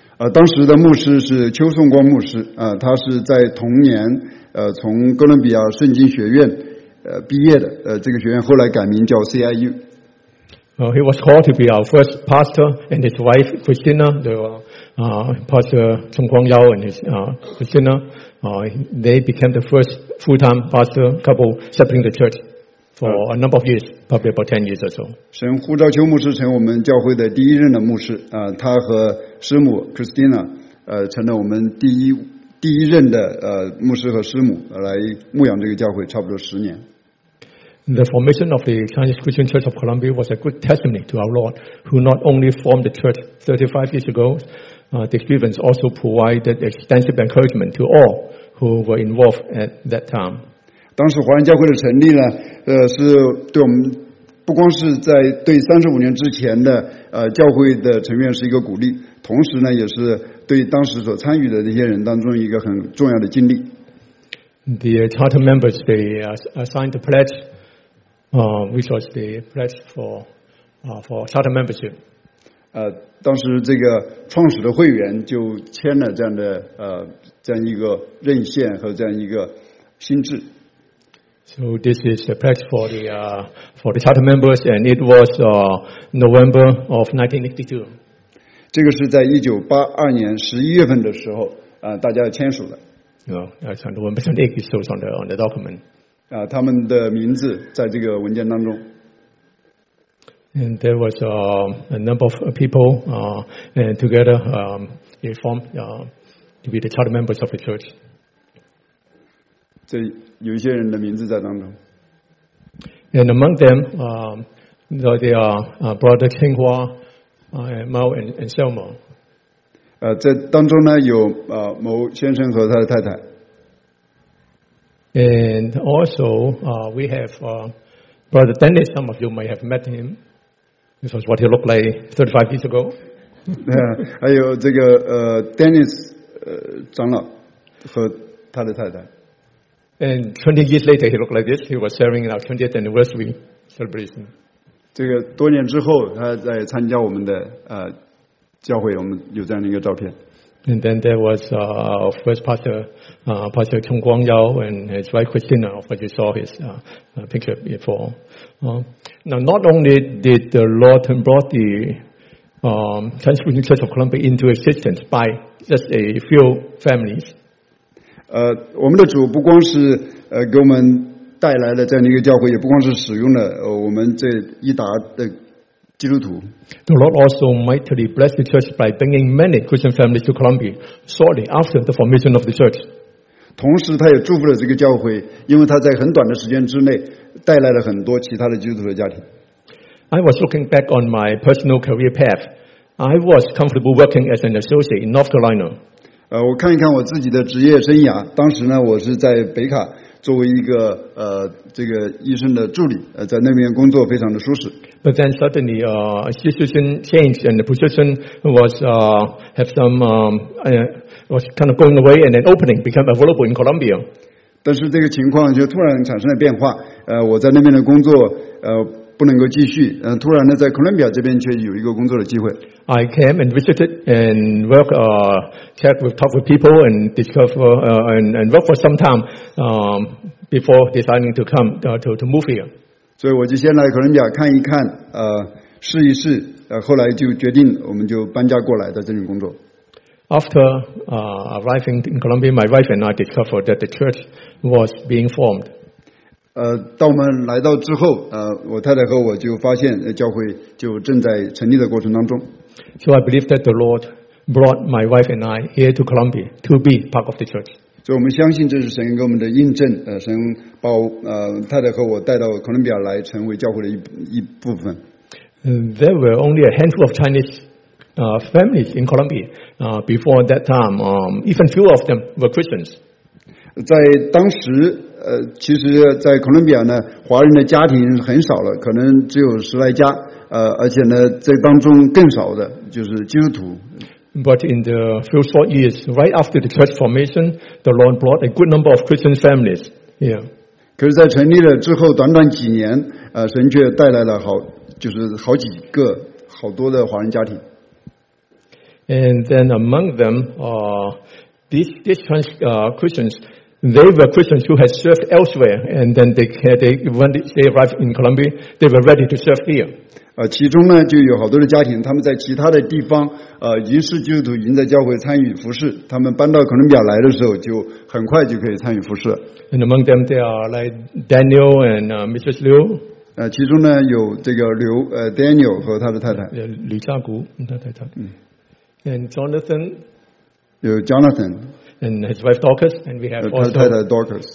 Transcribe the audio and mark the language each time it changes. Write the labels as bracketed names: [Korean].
[Chinese] 当时的牧师是邱颂光牧师，他是在同年从哥伦比亚圣经学院毕业的，这个学院后来改名叫 CIU. [English] He was called to be our first pastor, and his wife Christina, Pastor Chung Kwang Yao and his Christina, they became the first full-time pastor couple serving the church. For a number of years, probably about 10 years or so. [Chinese] 神呼召邱牧师成我们教会的第一任的牧师，他和师母 Christina, 成了我们第一任的牧师和师母，来牧养这个教会差不多十年。 [English] The formation of the Chinese Christian Church of Colombia was a good testimony to our Lord, who not only formed the church 35 years ago, the students also provided extensive encouragement to all who were involved at that time. [Chinese] 当时华人教会的成立呢，是对我们不光是在对35年之前的教会的成员是一个鼓励，同时呢，也是对当时所参与的那些人当中一个很重要的经历。 [English] The charter members they assigned the pledge, which was the pledge for charter membership. [Chinese] 当时这个创始的会员就签了这样的这样一个任线和这样一个心智。 [English] So this is the pledge for the charter members, and it was November of 1982. [Chinese] 这个是在1982年11月份的时候，大家签署的。 [English] No, November 28 it shows on the document. [Chinese] 他们的名字在这个文件当中。 [English] And there was a number of people, and together, they formed to be the charter members of the church. [Chinese] 这有一些人的名字在当中。 [English] And among them, they are Brother Qing Hua, Mao, and Selma. [Chinese] 这当中呢有牟先生和他的太太。 [English] And also, we have Brother Dennis. Some of you may have met him. This was what he looked like 35 years ago. [Chinese] 还有这个Dennis 长老和他的太太。 [English] And 20 years later, he looked like this. He was serving in our 20th anniversary celebration. [Chinese] 这个多年之后，他在参加我们的教会，我们有这样的一个照片。 [English] And then there was our first pastor, Pastor Chung Kwang Yao, and his wife Christina. Of course, you saw his picture before. Now, not only did the Lord brought the Transfiguration Church of Columbia into existence by just a few families. [Chinese] 我们的主不光是给我们带来了这样的一个教会，也不光是使用了我们这一达的基督徒。 [English] The Lord also mightily blessed the church by bringing many Christian families to Colombia shortly after the formation of the church. [Chinese] 同时，他也祝福了这个教会，因为他在很短的时间之内带来了很多其他的基督徒的家庭。 [English] I was looking back on my personal career path. I was comfortable working as an associate in North Carolina. [Chinese] 我看一看我自己的职业生涯，当时呢，我是在北卡作为一个这个医生的助理在那边工作非常的舒适。 [English] But then suddenly, situation changed and the position was, have some, was kind of going away and an opening became available in Colombia. [Chinese] 但是这个情况就突然产生了变化我在那边的工作不能够继续突然呢在哥伦比亚这边却有一个工作的机会。 [English] I came and visited and worked, talked with people and discovered, and worked for some time, before deciding to come, to move here. [Chinese] 所以我就先来哥伦比亚看一看试一试后来就决定我们就搬家过来在这里工作。 [English] After, arriving in Colombia, my wife and I discovered that the church was being formed. [Chinese] 当我们来到之后我太太和我就发现教会就正在成立的过程当中。 [English] So I believe that the Lord brought my wife and I here to Colombia to be part of the church. [Chinese] 所以我们相信这是神给我们的印证神把太太和我带到哥伦比亚来成为教会的 一部分。 [English] There were only a handful of Chinese families in Colombia before that time, even few of them were Christians. [Chinese] 在当时其实在哥伦比亚呢华人的家庭很少了可能只有十来家而且呢在当中更少的就是基督徒。 [English] But in the few short years, right after the church formation, the Lord brought a good number of Christian families here. [Chinese] 可是在成立了之后短短几年神却带来了好就是好几个好多的华人家庭。 [English] And then among them, these Christians, they were Christians who had served elsewhere, and then when they arrived in Colombia, they were ready to serve here. [Chinese] 其中呢就有好多的家庭，他们在其他的地方，已经是基督徒，已经在教会参与服事。他们搬到哥伦比亚来的时候，就很快就可以参与服事。 [English] And among them, they are like Daniel and Mrs. Liu. [Chinese] 其中呢有这个刘Daniel 和他的太太。吕家谷，他太太。 [English] And Jonathan, [Chinese] 有 Jonathan, [English] and his wife Dorcas, and we have also [Chinese] 太太 Dorcas,